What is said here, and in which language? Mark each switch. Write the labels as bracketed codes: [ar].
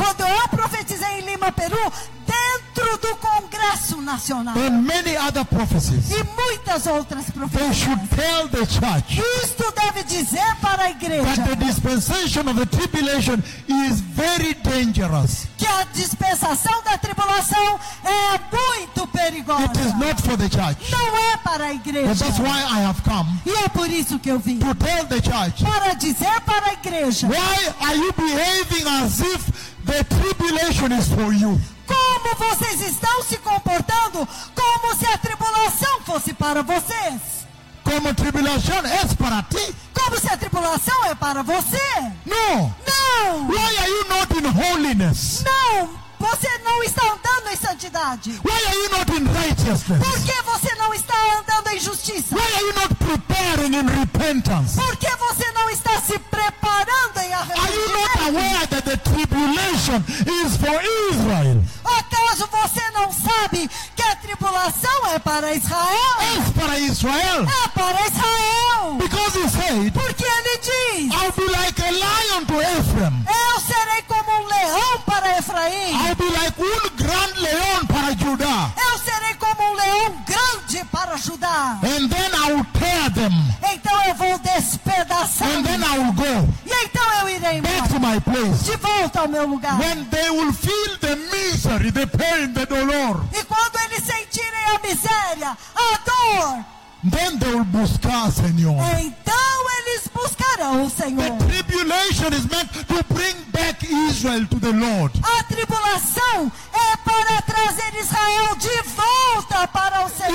[pt] Quando eu profetizei em Lima, Peru. Dentro do Congresso Nacional. [en] And many other prophecies. [pt] E muitas outras profecias. [en] They should tell the church. [pt] Isto deve dizer para a igreja. [en] That the dispensation of the tribulation is very dangerous. [pt] Que a dispensação da tribulação é muito perigosa. [en] It is not for the church. [pt] Não é para a igreja. [en] And that's why I have come. [pt] E é por isso que eu vim. [en] To tell the church. [pt] Para dizer para a igreja. [en] Why are you behaving as if the tribulation is for you? [pt] Como vocês estão se comportando como se a tribulação fosse para vocês? Como a tribulação é para ti? Como se a tribulação é para você? Não. Não. [en] Why are you not in holiness? [pt] Não. Você não está andando em santidade. [en] Why are you not in righteousness? [pt] Por que você não está andando em justiça? [en] Why are you not preparing in repentance? [pt] Por que você não está se preparando em arrependimento? [en] Are you not aware that the tribulation is for Israel? [pt] Acaso você não sabe que a tribulação é para Israel? É para Israel. É para Israel. [en] Because he said. [pt] Porque ele diz. [en] I'll be like a lion to Ephraim. [pt] Eu serei como um leão para Efraim. [en] I'll be like [es] un gran león para Judá. [pt] Eu serei como um leão grande para Judá. [en] And then I'll tear them. [pt] Então eu vou despedaçar. [en] And then I'll go. [pt] E então eu irei [en] back to my place. [pt] De volta ao meu lugar. [en] When they will feel the misery, the pain, the dolor. [pt] E quando eles sentirem a miséria, a dor. [en] Then they will [pt] buscar, Senhor. Então eles buscarão o Senhor. [en] The tribulation is meant to bring back Israel to the Lord. [pt] A tribulação é para trazer Israel de volta para o Senhor.